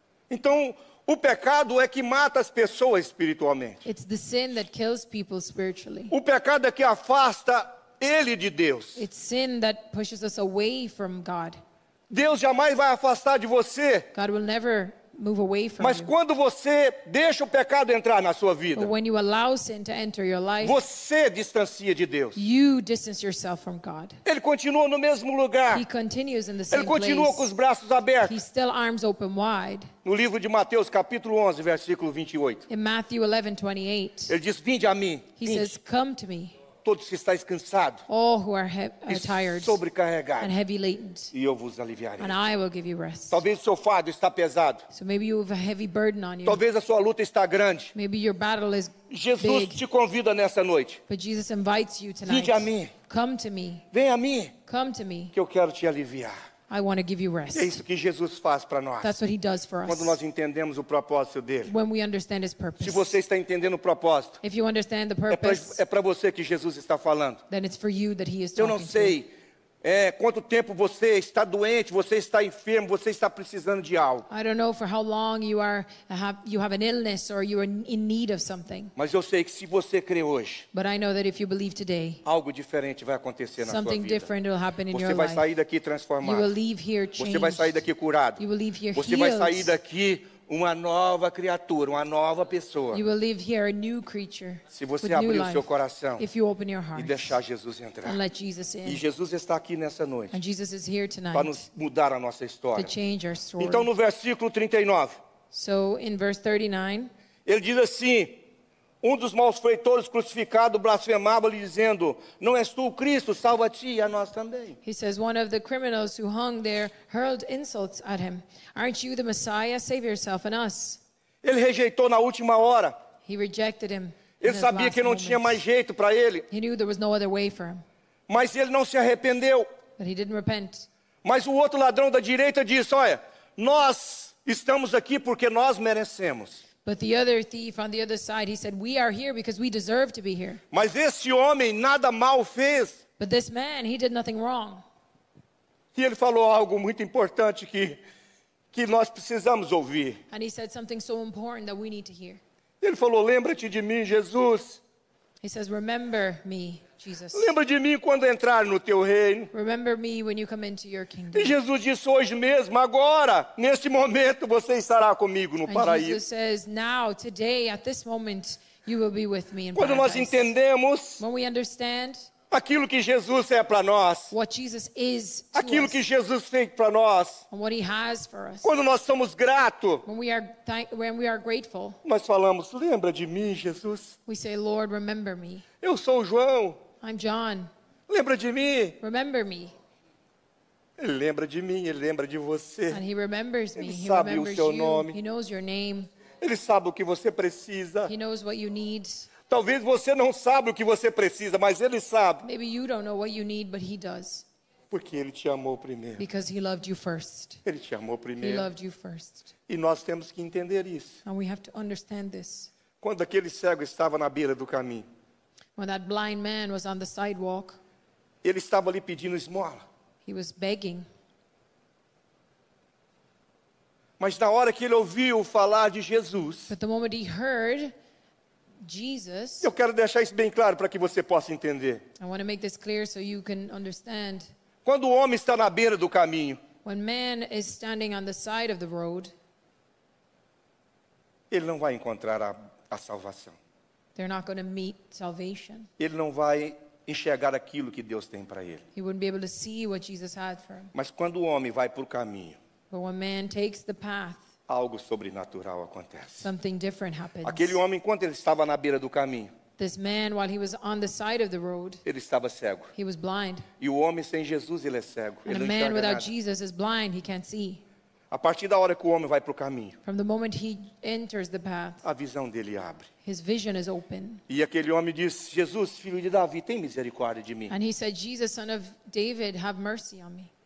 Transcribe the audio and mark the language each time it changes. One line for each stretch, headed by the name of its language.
Portuguese: Então, o pecado é que mata as pessoas espiritualmente.
English: It's the sin that kills people spiritually.
Portuguese: O pecado é que afasta ele de Deus.
English: It's sin that pushes us away from God.
Portuguese: Deus jamais vai afastar de você.
English: God will never move away from
Portuguese: Mas quando você deixa o pecado entrar na sua vida,
English: when you allow sin to enter your life,
Portuguese: você distancia de Deus.
English: You distance yourself from God.
Portuguese: Ele continua no mesmo lugar.
English: He continues in the same
Portuguese: Ele continua
English: place.
Portuguese: Com os braços abertos.
English: He's still arms open wide.
Portuguese: No livro de Mateus, capítulo 11, versículo 28.
English: In Matthew 11, 28.
Portuguese: Ele diz: "Vinde a mim."
English: He says, "Come to me."
Portuguese: Todos que estáis cansados.
English: All who are tired.
Portuguese: Sobrecarregados.
English: And heavy laden.
Portuguese: E eu vos aliviarei.
English: And I will give you rest.
Portuguese: Talvez o seu fardo está pesado.
English: So maybe you have a heavy burden on you.
Portuguese: Talvez a sua luta está grande.
English: Maybe your battle is
Portuguese: Jesus
English: big.
Portuguese: Te convida nessa noite.
English: But Jesus invites you tonight.
Portuguese: Vinde a mim.
English: Come to me.
Portuguese: Venha a mim.
English: Come to me.
Portuguese: Que eu quero te aliviar.
English: I want to give you rest.
Portuguese: É isso que Jesus faz para nós.
English: That's what he does for us.
Portuguese: Quando nós entendemos o propósito dele.
English: When we understand his purpose.
Portuguese: Se você está entendendo o propósito.
English: If you understand the purpose.
Portuguese: É para você que Jesus está falando.
English: Then it's for you that he is talking to.
Portuguese: Eu não sei quanto tempo você está doente, você está enfermo, você está precisando de algo.
English: I don't know for how long you have an illness or you are in need of something.
Portuguese: Mas eu sei que se você crê hoje.
English: But I know that if you believe today.
Portuguese: Algo diferente vai acontecer na sua vida.
English: Something different will happen in
Portuguese: você
English: your life.
Portuguese: Você vai sair daqui transformado.
English: You will leave here changed.
Portuguese: Você vai sair daqui curado.
English: You will leave here
Portuguese: você
English: healed.
Portuguese: Vai sair daqui uma nova criatura, uma nova pessoa.
English: You will leave here a new creature.
Portuguese: Se você abrir o seu coração.
English: If you open your heart.
Portuguese: E deixar Jesus entrar.
English: And let Jesus in.
Portuguese: E Jesus está aqui nessa noite.
English: And Jesus is here tonight.
Portuguese: Para nos mudar a nossa história.
English: To change our story.
Portuguese: Então no versículo 39.
English: So in verse 39.
Portuguese: Ele diz assim: um dos malfeitores crucificado blasfemava lhe dizendo: não és tu o Cristo, salva-te e a nós também.
English: He says one of the criminals who hung there hurled insults at him. Aren't you the Messiah? Save yourself and us.
Portuguese: Ele rejeitou na última hora.
English: He rejected him.
Portuguese: Ele sabia que não tinha mais jeito para ele.
English: He knew there was no other way for him.
Portuguese: Mas ele não se arrependeu.
English: But he didn't repent.
Portuguese: Mas o outro ladrão da direita disse: olha, nós estamos aqui porque nós merecemos.
English: But the other thief on the other side, he said, we are here because we deserve to be here.
Portuguese: Mas esse homem nada mal fez.
English: But this man, he did nothing wrong.
Portuguese: E ele falou algo muito importante que nós precisamos ouvir.
English: And he said something so important that we need to hear.
Portuguese: Ele falou: lembra-te de mim, Jesus.
English: He says, remember me, Jesus.
Portuguese: Lembra de mim quando entrar no teu reino.
English: Remember me when you come into your kingdom.
Portuguese: E Jesus disse: hoje mesmo, agora, neste momento, você estará comigo no
English: And
Portuguese: paraíso.
English: Jesus says, now, today, at this moment, you will be with me in
Portuguese: quando
English: paradise.
Portuguese: Quando nós entendemos.
English: When we understand.
Portuguese: Aquilo que Jesus é para nós.
English: What Jesus is to
Portuguese: aquilo
English: us.
Portuguese: Que Jesus fez para nós.
English: And what he has for us.
Portuguese: Quando nós somos gratos.
English: When we are grateful.
Portuguese: Nós falamos: lembra de mim, Jesus.
English: We say, Lord, remember me.
Portuguese: Eu sou o João.
English: I'm John.
Portuguese: Lembra de mim.
English: Remember me.
Portuguese: Ele lembra de mim, ele lembra de você.
English: And he remembers me.
Portuguese: Ele
English: he
Portuguese: sabe
English: remembers
Portuguese: o seu
English: you.
Portuguese: Nome.
English: He knows your name.
Portuguese: Ele sabe o que você precisa.
English: He knows what you need.
Portuguese: Talvez você não saiba o que você precisa, mas ele sabe.
English: Maybe you don't know what you need, but he does.
Portuguese: Porque ele te amou primeiro.
English: Because he loved you first.
Portuguese: Ele te amou primeiro.
English: He loved you first.
Portuguese: E nós temos que entender isso.
English: And we have to understand this.
Portuguese: Quando aquele cego estava na beira do caminho.
English: When that blind man was on the sidewalk.
Portuguese: Ele estava ali pedindo esmola.
English: He was begging.
Portuguese: Mas na hora que ele ouviu falar de Jesus.
English: But the moment he heard Jesus,
Portuguese: eu quero deixar isso bem claro para que você possa entender.
English: I want to make this clear so you can understand.
Portuguese: Quando o homem está na beira do caminho,
English: when man is standing on the side of the road,
Portuguese: ele não vai encontrar a salvação.
English: They're not going to meet salvation.
Portuguese: Ele não vai enxergar aquilo que Deus tem para ele.
English: He wouldn't be able to see what Jesus had for him.
Portuguese: Mas quando o homem vai por caminho,
English: but when man takes the path,
Portuguese: algo sobrenatural acontece.
English: Something different happens.
Portuguese: Aquele homem, enquanto ele estava na beira do caminho,
English: this man, while he was on the side of the road,
Portuguese: ele estava cego.
English: He was blind.
Portuguese: E o homem sem Jesus, ele é cego.
English: And
Portuguese: ele
English: a man without
Portuguese: nada.
English: Jesus is blind. He can't see.
Portuguese: A partir da hora que o homem vai para o caminho,
English: from the moment he enters the path,
Portuguese: a visão dele abre.
English: His vision is open.
Portuguese: E aquele homem diz: Jesus, filho de Davi, tem misericórdia de mim.
English: And he said, Jesus, son of David, have mercy on me.